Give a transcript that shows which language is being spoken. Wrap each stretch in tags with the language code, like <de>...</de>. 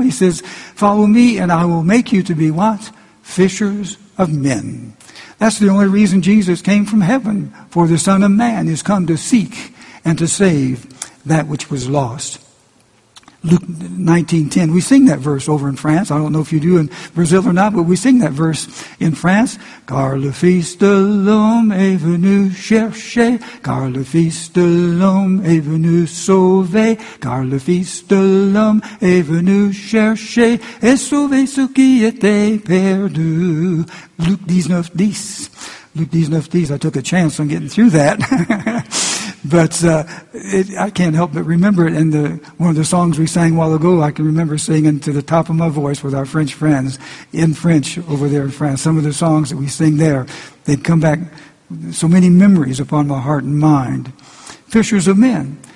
<en>He says, follow me, and I will make you to be what? Fishers of men. That's the only reason Jesus came from heaven, for the Son of Man has come to seek and to save that which was lost. Luke 19:10, we sing that verse over in France. I don't know if you do in Brazil or not, but we sing that verse in France.</en> <fr>Car le Fils de l'homme est venu chercher. Car le Fils de l'homme est venu sauver. Car le Fils de l'homme est venu chercher et sauver ce qui était perdu.</fr> <en>Luke 19:10. Luke 19:10, I took a chance on getting through that. But I can't help but remember it. And one of the songs we sang a while ago, I can remember singing to the top of my voice with our French friends in French over there in France. Some of the songs that we sing there, they'd come back so many memories upon my heart and mind. Fishers of men.</en>